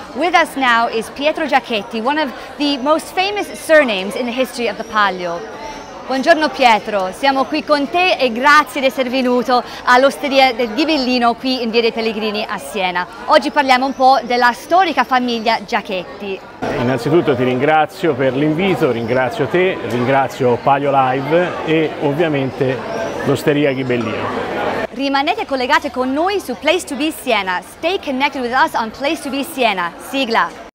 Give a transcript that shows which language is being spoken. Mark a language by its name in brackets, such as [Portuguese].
[English] With us now is Pietro Giacchetti, one of the most famous surnames in the history of the Palio. [Italian] Buongiorno Pietro, siamo qui con te e grazie di essere venuto all'Osteria del Ghibellino qui in Via dei Pellegrini a Siena. Oggi parliamo un po' della storica famiglia Giacchetti. Innanzitutto ti ringrazio per l'invito, ringrazio te, ringrazio Palio Live e ovviamente l'Osteria Ghibellino. Rimanete collegati con noi su Place to Be Siena. [English] Stay connected with us on Place to Be Siena. Sigla.